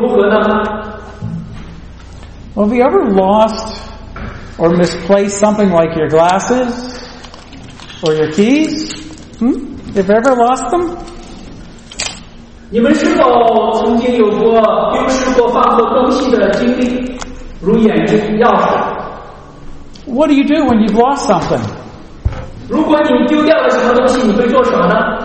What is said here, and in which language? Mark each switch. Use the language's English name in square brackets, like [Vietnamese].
[English] Well, have you ever lost or misplaced something like your glasses or your keys? Have you ever lost them? [Chinese] 你们是否曾经有过丢失过放错东西的经历，如眼睛、钥匙？ [English] What do you do when you've lost something? [Chinese] 如果你丢掉了什么东西，你会做什么呢？